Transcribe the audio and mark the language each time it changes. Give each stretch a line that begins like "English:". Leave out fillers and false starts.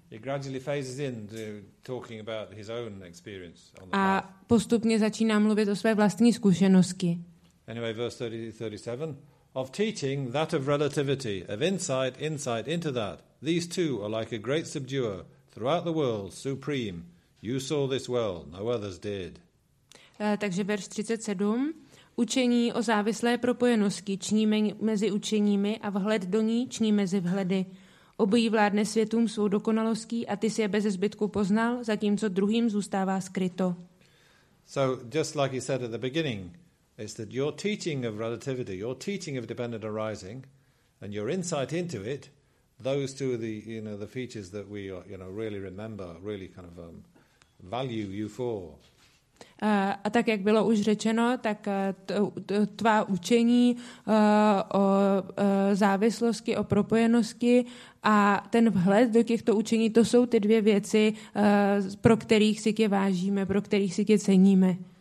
English: He gradually phases in to talking about his own experience on the path.
Czech: A postupně začíná mluvit o své vlastní zkušenosti.
English: Anyway, verse 37. Of teaching, that of relativity, of insight into that. These two are like a great subduer throughout the world, supreme. You saw this well, no others did.
Czech: Takže verš 37. Učení o závislé propojenosti činí mezi učeními a vhled do ní činí mezi vhledy. Obojí vládne světům svou dokonalostí a ty si je bez zbytku poznal, zatímco druhým zůstává skryto.
English: So just like he said at the beginning, it's that your teaching of relativity, your teaching of dependent arising, and your insight into it, those two are the, you know, the features that we, you know, really remember, really kind of value you for.
Czech: A tak, jak bylo už řečeno, tak tvá učení o závislosti, o propojenosti a ten vhled do těchto učení, to jsou ty dvě věci, pro kterých si tě vážíme, pro kterých si tě ceníme.